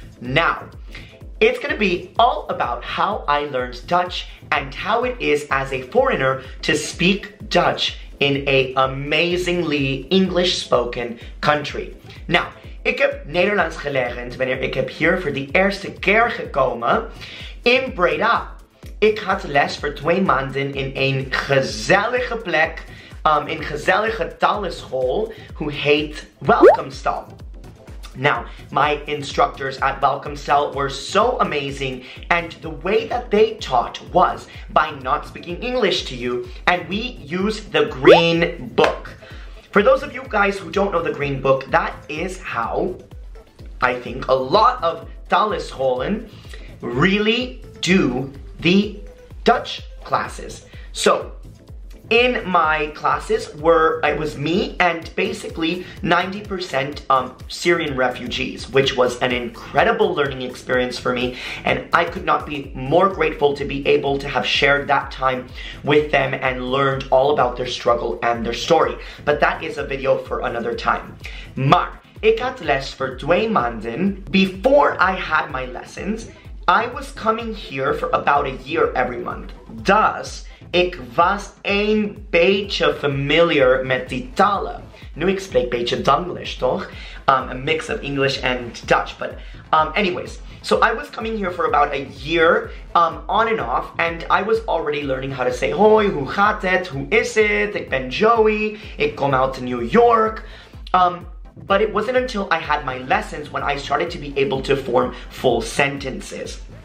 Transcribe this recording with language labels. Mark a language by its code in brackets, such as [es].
[en] Now, it's gonna be all about how I learned Dutch and how it is as a foreigner to speak Dutch in a amazingly English spoken country. [nl] Now, ik heb Nederlands geleerd wanneer ik heb hier voor de eerste keer gekomen. In Breda, ik had les voor 2 maanden in een gezellige plek, een gezellige talenschool, who heet Welcomestal. [en] Now, my instructors at Welcomestal were so amazing, and the way that they taught was by not speaking English to you, and we used the green book. For those of you guys who don't know the green book, that is how, I think, a lot of talenscholen really do the Dutch classes. So in my classes were, it was me and basically 90% Syrian refugees, which was an incredible learning experience for me. And I could not be more grateful to be able to have shared that time with them and learned all about their struggle and their story. But that is a video for another time. [nl] Maar ik had les voor 2 maanden [en] before I had my lessons. I was coming here for about a year every month. [nl] Thus, ik was een beetje familiar met die talen. Nu ik spreek beetje Danglish, toch? [en] A mix of English and Dutch, but anyways. So I was coming here for about a year, on and off, and I was already learning how to say, [nl] hoi, hoe gaat het? Hoe is het? Ik ben Joey. Ik kom [en] out to New York. But it wasn't until I had my lessons when I started to be able to form full sentences.